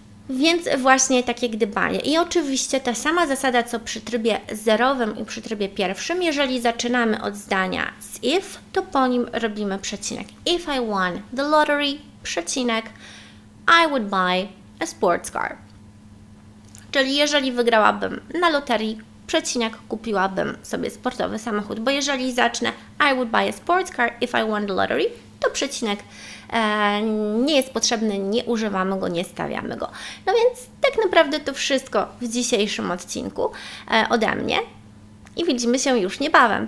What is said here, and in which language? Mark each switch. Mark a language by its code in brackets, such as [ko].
[pl] Więc właśnie takie gdybanie. I oczywiście ta sama zasada, co przy trybie zerowym i przy trybie pierwszym, jeżeli zaczynamy od zdania z if, to po nim robimy przecinek. [en] If I won the lottery, [pl] przecinek, [en] I would buy a sports car. [pl] Czyli jeżeli wygrałabym na loterii, przecinek, kupiłabym sobie sportowy samochód. Bo jeżeli zacznę [en] I would buy a sports car if I won the lottery, [pl] to przecinek nie jest potrzebny, nie używamy go, nie stawiamy go. No więc tak naprawdę to wszystko w dzisiejszym odcinku ode mnie i widzimy się już niebawem.